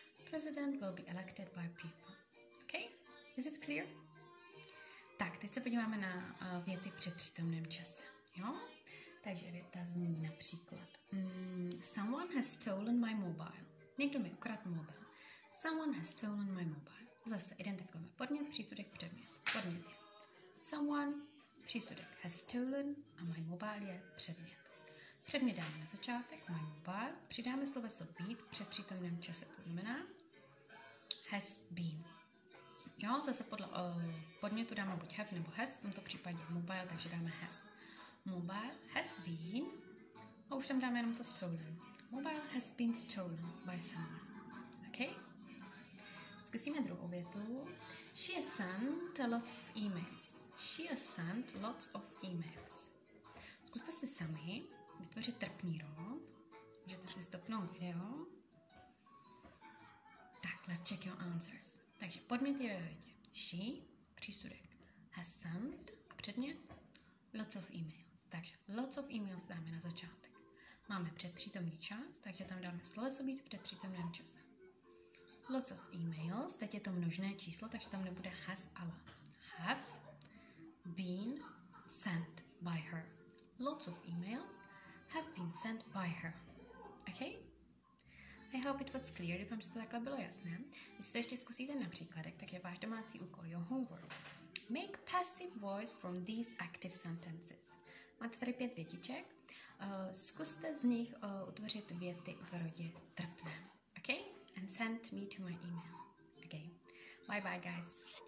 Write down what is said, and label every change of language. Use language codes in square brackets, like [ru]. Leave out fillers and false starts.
[en] President will be elected by people. Okay? Is it clear? [cs] Tak, teď se podíváme na věty v předpřítomném čase. Jo? Takže věta zní například. [en] Someone has stolen my mobile. [cs] Někdo mi ukradl mobil. [en] Someone has stolen my mobile. [cs] Zase identifikujeme podmět, přísudek, předmět. Podmět je. Someone, přísudek, [en] has stolen [cs] a [en] my mobile [cs] je předmět. Předmět dáme na začátek, [en] my mobile, [cs] přidáme sloveso být v předpřítomném čase, to znamená [en] has been. [cs] Jo, zase podle podmětu dáme buď have nebo has, v tomto případě mobile, takže dáme has. [en] Mobile has been, [cs] a už tam dáme jenom to stolen. [en] Mobile has been stolen by someone. OK? [cs] Zkusíme druhou větu. [en] She has sent lots of emails. She has sent lots of emails. [cs] Zkuste si sami vytvořit trpný rod, můžete si stopnout video. Tak, [en] let's check your answers. [cs] Takže podmět je ve větě. She, přísudek, [en] has sent, [cs] a předně? [en] Lots of emails. [cs] Takže [en] lots of emails [cs] dáme na začátek. Máme předpřítomný čas, takže tam dáme sloveso být v předpřítomném čase. [en] Lots of emails, [cs] teď je to množné číslo, takže tam nebude has, ale [en] have been sent by her. Lots of emails have been sent by her. OK? I hope it was clear, [cs] doufám, že to takhle bylo jasné. Když to ještě zkusíte na příkladek, tak je váš domácí úkol, [en] your homework. Make passive voice from these active sentences. [cs] Máte tady 5 větiček. Zkuste z nich utvořit věty v rodě trpné. [en] OK? And send me to my email. OK? Bye bye, guys.